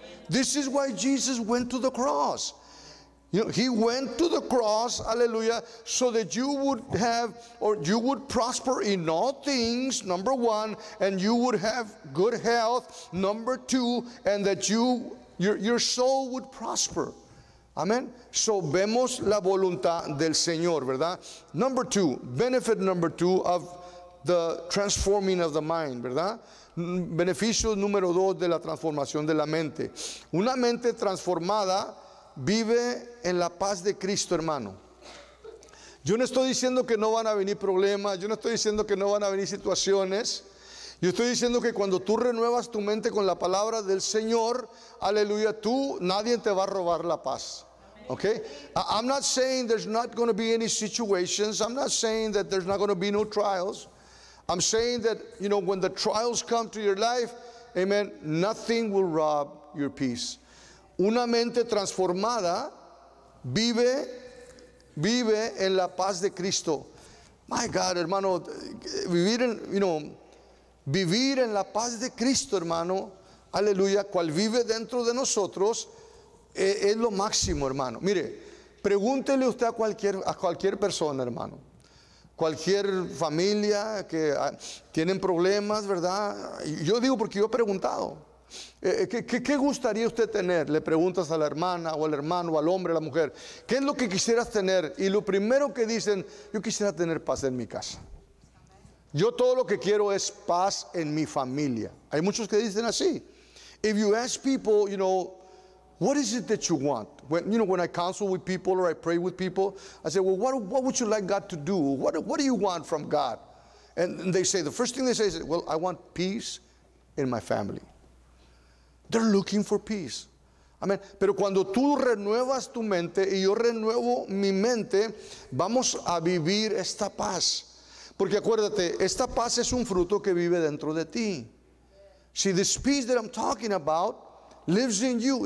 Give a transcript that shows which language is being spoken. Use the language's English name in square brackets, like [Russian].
[English] This is why Jesus went to the cross. You know, he went to the cross, hallelujah, so that you would have, or you would prosper in all things, number one, and you would have good health, number two, and that you, your soul would prosper. [Spanish] Amen. So vemos la voluntad del Señor, ¿verdad? [English] Number two, benefit number two of the transforming of the mind, [Spanish] ¿verdad? Beneficio número dos de la transformación de la mente. Una mente transformada vive en la paz de Cristo, hermano. Yo no estoy diciendo que no van a venir problemas, yo no estoy diciendo que no van a venir situaciones. Yo estoy diciendo que cuando tú renuevas tu mente con la palabra del Señor, aleluya, tú, nadie te va a robar la paz. [English] Okay, I'm not saying there's not going to be any situations. I'm not saying that there's not going to be no trials. I'm saying that, you know, when the trials come to your life, amen, nothing will rob your peace. [Spanish] Una mente transformada vive en la paz de Cristo. [English] My God, [Spanish] hermano, vivir en la paz de Cristo, hermano, aleluya, cual vive dentro de nosotros, es lo máximo, hermano. Mire, pregúntele usted a cualquier persona, hermano. Cualquier familia que tienen problemas, ¿verdad? Yo digo porque yo he preguntado. ¿Qué gustaría usted tener? Le preguntas a la hermana o al hermano, al hombre, a la mujer. ¿Qué es lo que quisieras tener? Y lo primero que dicen, yo quisiera tener paz en mi casa. Yo todo lo que quiero es paz en mi familia. Hay muchos que dicen así. [English] If you ask people, you know, what is it that you want? When, you know, when I counsel with people or I pray with people, I say, well, what would you like God to do? What do you want from God? And they say, the first thing they say is, well, I want peace in my family. They're looking for peace. Amen. [Spanish] Pero cuando tú renuevas tu mente y yo renuevo mi mente, vamos a vivir esta paz. Porque acuérdate, esta paz es un fruto que vive dentro de ti. [English] See, this peace that I'm talking about lives in you.